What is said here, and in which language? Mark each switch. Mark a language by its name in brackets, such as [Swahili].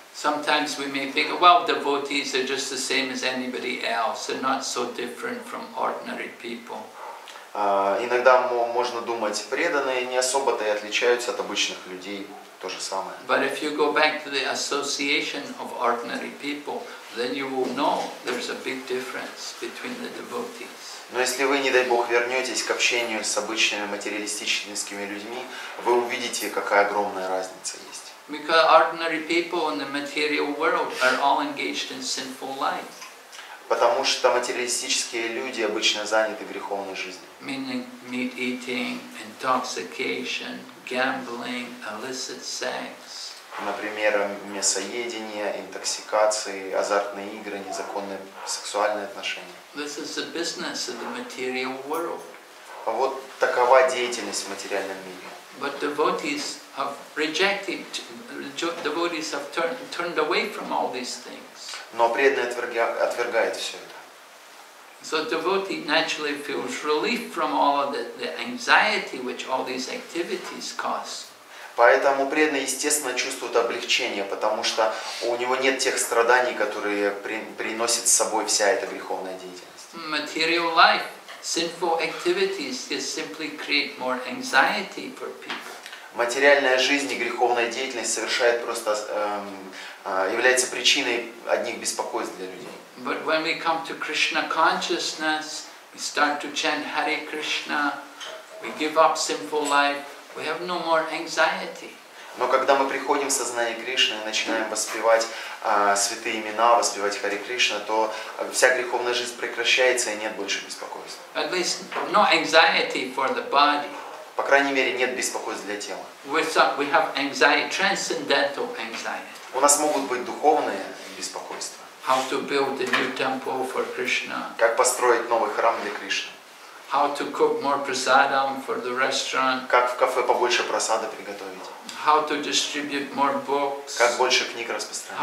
[English] Sometimes we may think, well, devotees are just the same as anybody else. They're not so different from ordinary people. [Russian] Иногда можно думать, преданные не особо-то и отличаются от обычных людей, то же самое. [English] But if you go back to the association of ordinary people, then you will know there's a big difference between the devotees. [Russian] Но если вы, не дай бог, вернетесь к общению с обычными материалистическими людьми, вы увидите, какая огромная разница есть. [English] Because ordinary people in the material world are all engaged in sinful life. [Russian] Потому что материалистические люди обычно заняты греховной жизнью. [English] Meaning meat eating, intoxication, gambling, illicit sex. [Russian] Например, мясоедение, интоксикации, азартные игры, незаконные сексуальные отношения. [English] This is the business of the material world. [Russian] А вот такова деятельность в материальном мире. [English] But devotees have rejected, devotees have turned away from all these things. [Russian] Но преданный отвергает все это. [English] So devotee naturally feels relief from all of the anxiety which all these activities cause. [Russian] Поэтому преданный, естественно, чувствует облегчение, потому что у него нет тех страданий, которые приносит с собой вся эта греховная деятельность. [English] Material life, sinful activities just simply create more anxiety for people. [Russian] Материальная жизнь и греховная деятельность совершает просто, является причиной одних беспокойств для людей. [English] But when we come to Krishna consciousness, we start to chant Hare Krishna, we give up sinful life, we have no more anxiety. [Russian] Но когда мы приходим в сознание Кришны и начинаем воспевать святые имена, воспевать Харе Кришна, то вся греховная жизнь прекращается и нет больше беспокойства. [English] At least no anxiety for the body. [Russian] По крайней мере, нет беспокойств для тела. [English] We have anxiety, transcendental anxiety. [Russian] У нас могут быть духовные беспокойства. [English] How to build a new temple for Krishna. [Russian] Как построить новый храм для Кришны. [English] How to cook more prasadam for the restaurant? [Russian] Как в кафе побольше прасады приготовить? [English] How to distribute more books? [Russian] Как больше книг распространить?